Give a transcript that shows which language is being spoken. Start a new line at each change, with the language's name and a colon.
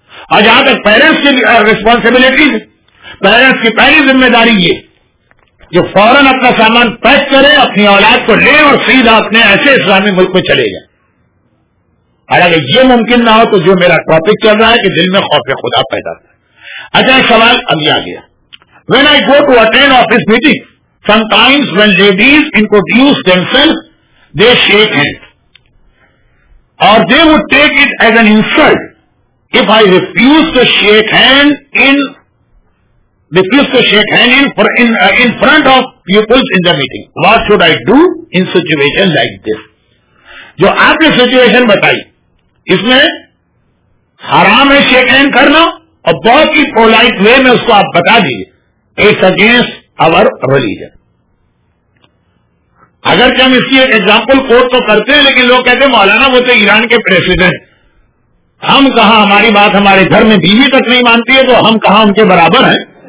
Urdu: اور جہاں تک پیرنٹس کی ریسپانسبلٹی, پیرنٹس کی پہلی ذمہ داری یہ جو فوراً اپنا سامان پیک کرے, اپنی اولاد کو لے اور سیدھا اپنے ایسے اسلامی ملک میں چلے جائے. اور اگر یہ ممکن نہ ہو تو جو میرا ٹاپک چل رہا ہے کہ دل میں خوف خدا پیدا ہوتا ہے. اچھا ایک سوال ابھی آ گیا.
English: When I go to attend office meeting, sometimes when ladies introduce themselves, they shake hands. Or they would take it as an insult if I refuse to shake hand in in front of pupils in the meeting. What should I do in situation like this?
Urdu: جو آپ نے situation بتائی اس میں حرام ہے shake hand کرنا, اور بہت ہی پولائٹ وے میں اس کو آپ بتا دیجیے,
English: It's against our religion.
Urdu: اگرچہ ہم اس کی ایک ایگزامپل کوٹ تو کرتے ہیں لیکن لوگ کہتے ہیں مولانا وہ تو ایران کے پریسیڈنٹ, ہم کہاں, ہماری بات ہمارے گھر میں بیوی تک نہیں مانتی ہے تو ہم کہاں ان کے برابر ہیں.